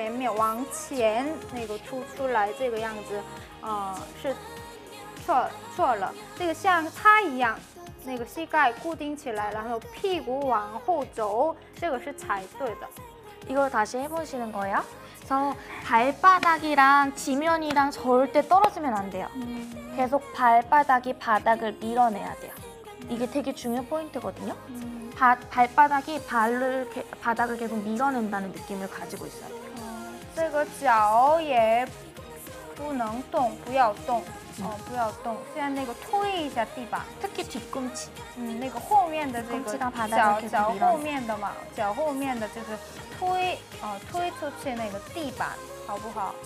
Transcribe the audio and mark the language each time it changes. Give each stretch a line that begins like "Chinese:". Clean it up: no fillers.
Chinese: 这个屁股往后走，这个完全坐下来就可以的。不要像我一样这样，膝盖前面往前那个凸出来这个样子。是错错了这个像他一样那个膝盖固定起来然后屁股往后走这个是踩对的
Korean: 이걸 다시 해보시는 거예요. 그래서 발바닥이랑 지면이랑 절대 떨어지면 안 돼요. 계속 발바닥이 바닥을 밀어내야 돼요. 이게 되게 중요한 포인트거든요. 발바닥이 발을 바닥을 계속 밀어낸다는 느낌을 가지고 있어야 돼요.
Chinese: 这个脚也不能动，不要动，哦，不要动。现在那个推一下地板，特别뒤꿈치，嗯，那个后面的这个脚后面的嘛，脚后面的就是推，哦，推出去那个地板，好不好？